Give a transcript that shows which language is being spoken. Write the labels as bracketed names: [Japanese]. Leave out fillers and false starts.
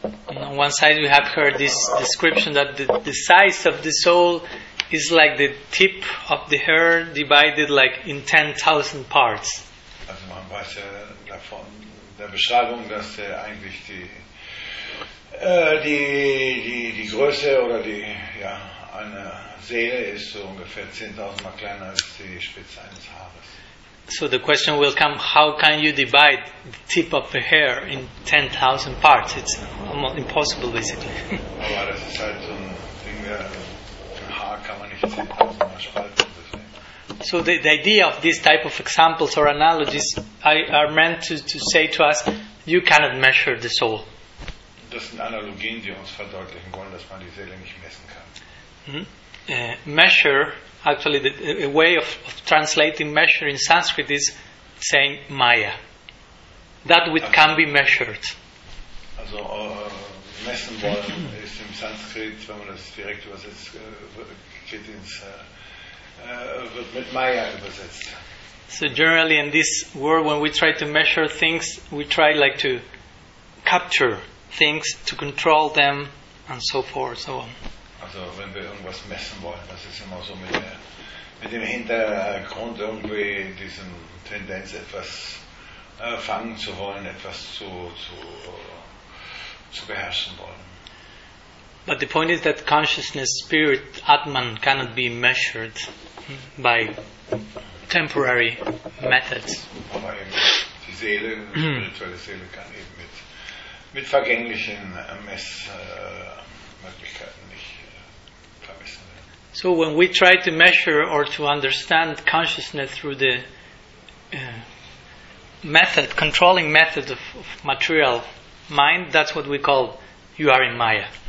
[English] And on one side we have heard this description that the size of the soul is like the tip of the hair divided like in 10,000 parts. [German] Also man weiß ja davon, der Beschreibung, dass eigentlich die Die Größe oder die, ja, eine Seele ist so ungefähr 10.000 mal kleiner als die Spitze eines Haares. [English] So the question will come, how can you divide the tip of a hair in 10.000 parts? It's almost impossible, basically. [German] Aber das ist halt so ein Ding, ein Haar kann man nicht 10.000 mal spalten. [English] So the idea of these type of examples or analogies are meant to say to us, you cannot measure the soul. [German] Das sind Analogien, die uns verdeutlichen wollen, dass man die Seele nicht messen kann. [English] Measure, actually, a way of translating measure in Sanskrit is saying Maya. That which can be measured. [German] Also messen wollen ist im Sanskrit, wenn man das direkt übersetzt, geht ins wird mit Maya übersetzt. [English] So generally in this world, when we try to measure things, we try like to capture things, to control them, and so forth, so on. [German] Also wenn wir irgendwas messen wollen, das ist immer so mit dem Hintergrund irgendwie diesen Tendenz, etwas fangen zu wollen, etwas zu beherrschen wollen. [English] But the point is that consciousness, spirit, Atman cannot be measured by temporary methods. [German] Aber eben die Seele, spirituelle Seele, kann eben mit vergänglichen Messmöglichkeiten nicht vermessen werden. [English] So when we try to measure or to understand consciousness through the method, controlling method of material mind, that's what we call, you are in Maya.